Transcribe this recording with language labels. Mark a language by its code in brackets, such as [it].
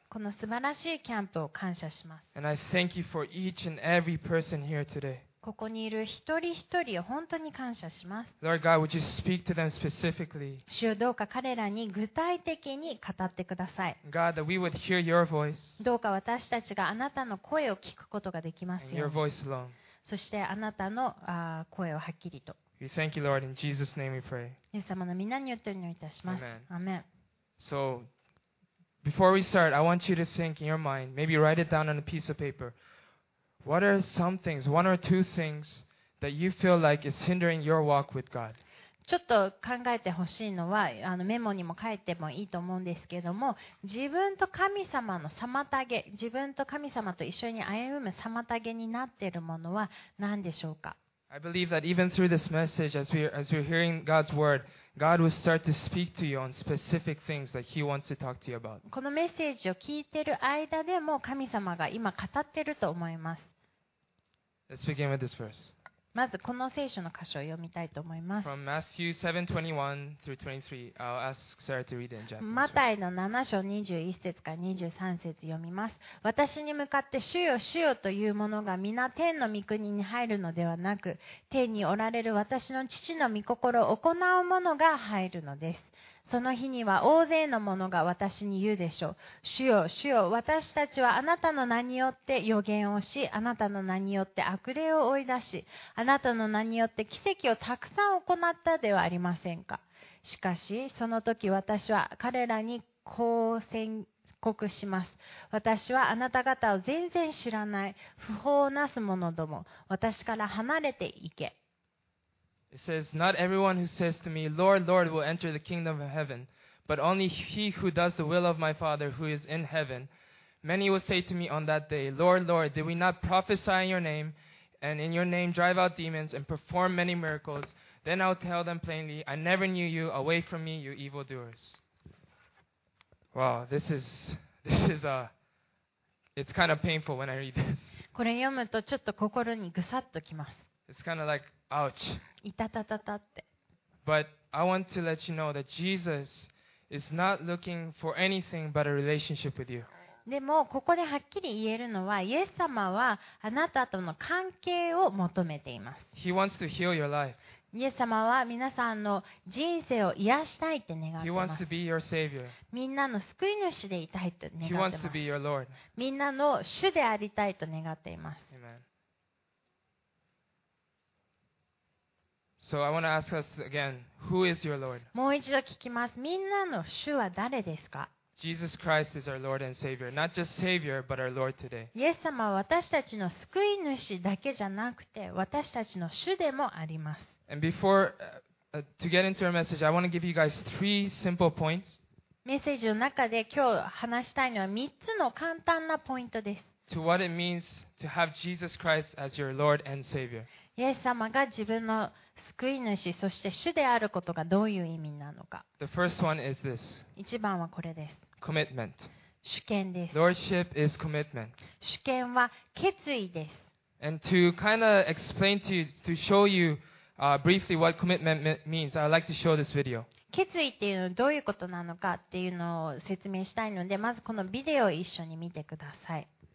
[ja] この素晴らしいキャンプを感謝します。 [en] And I thank you for each and every person here today. [ja] ここにいる一人一人を本当に感謝します。 [en] Lord God, would you speak to them specifically? [ja] 主よ、どうか彼らに具体的に語ってください。 [en] God, that we would hear your voice. [ja] どうか私たちがあなたの声を聞くことができますように。 [en] And your voice alone. [ja] そしてあなたの声をはっきりと。 [en] We thank you, Lord. In Jesus' name, we pray. [ja] イエス様の皆によってお祈りいたします。 [en] Amen. Amen. So, before we start, I want you to think in your mind, maybe write it down on a piece of paper. What are some things, one or two things, that you feel like is hindering your walk with God? [ja] ちょっと考えてほしいのは、メモにも書いてもいいと思うんですけども、自分と神様の妨げ、自分と神様と一緒に歩む妨げになっているものは何でしょうか。 [en] I believe that even through this message, as we're hearing God's word, God will start to speak to you on specific things that He wants to talk to you about. [ja] このメッセージを聞いている間でも神様が今語っていると思います。 [en] Let's begin with this verse. [ja] まずこの聖書の箇所を読みたいと思います。 [en] From Matthew 7:21-23, I'll ask Sarah to read in Japanese. [ja] マタイの7章21節から23節読みます。私に向かって主よ主よという者が皆天の御国に入るのではなく、天におられる私の父の御心を行う者が入るのです。その日には大勢の者が私に言うでしょう。主よ主よ、私たちはあなたの名によって予言をし、あなたの名によって悪霊を追い出し、あなたの名によって奇跡をたくさん行ったではありませんか。しかしその時私は彼らにこう宣告します。私はあなた方を全然知らない、不法をなす者ども、私から離れていけ。 [en] It says, not everyone who says to me, Lord, Lord, will enter the kingdom of heaven, but only he who does the will of my Father who is in heaven. Many will say to me on that day, Lord, Lord, did we not prophesy in your name, and in your name drive out demons and perform many miracles? Then I'll tell them plainly, I never knew you. Away from me, you evildoers. Wow, it's kind of painful when I read this. [ja] これ読むとちょっと心にぐさっときます。 [en] It's kind of like,Ouch. [ja] いたたたたって。 [en] But I want to let you know that Jesus is not looking for anything but a relationship with you. [ja] でもここではっきり言えるのは、イエス様はあなたとの関係を求めています。 [en] He wants to heal your life. [ja] イエス様は皆さんの人生を癒したいって願ってます。 [en] He wants to be your savior. [ja] みんなの救い主でいたいと願ってます。 [en] He wants to be your Lord. [ja] みんなの主でありたいと願っています。 [en] Amen. So I want to ask us again, who is your Lord? [ja] もう一度聞きます。みんなの主は誰ですか? [en] Jesus Christ is our Lord and Savior. Not just Savior, but our Lord today. [ja] イエス様は私たちの救い主だけじゃなくて、私たちの主でもあります。 [en] And before, to get into our message, I want to give you guys three simple points. [ja] メッセージの中で今日話したいのは三つの簡単なポイントです。 [en] To what it means to have Jesus Christ as your Lord and Savior. [ja] イエス様が自分の救い主、そして主であることがどういう意味なのか。 [en] The first one is this. [ja] 一番はこれです。 [en] Commitment. [ja] 主権です。 [en] Lordship is commitment. [ja] 主権は決意です。 [en] And to kind of explain to you, to show you, briefly what commitment means, I'd like to show this video. [ja] 決意っていうのはどういうことなのかっていうのを説明したいので、まずこのビデオを一緒に見てください。